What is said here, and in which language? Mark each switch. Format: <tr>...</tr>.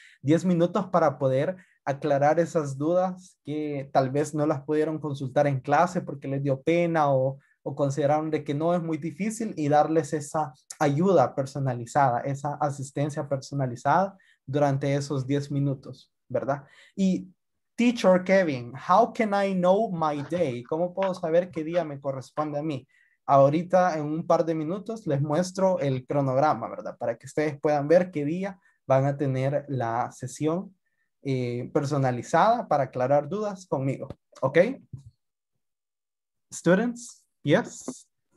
<es>10 minutos para poder aclarar esas dudas que tal vez no las pudieron consultar en clase porque les dio pena o consideraron de que no es muy difícil y darles esa ayuda personalizada, esa asistencia personalizada durante esos 10 minutos, ¿verdad?</es> <en>Y teacher Kevin, how can I know my day?</en> <es>¿Cómo puedo saber qué día me corresponde a mí? Ahorita en un par de minutos les muestro el cronograma, ¿verdad? Para que ustedes puedan ver qué día van a tener la sesión personalizada para aclarar dudas conmigo.</es> <en>¿Ok? Students, yes.</en>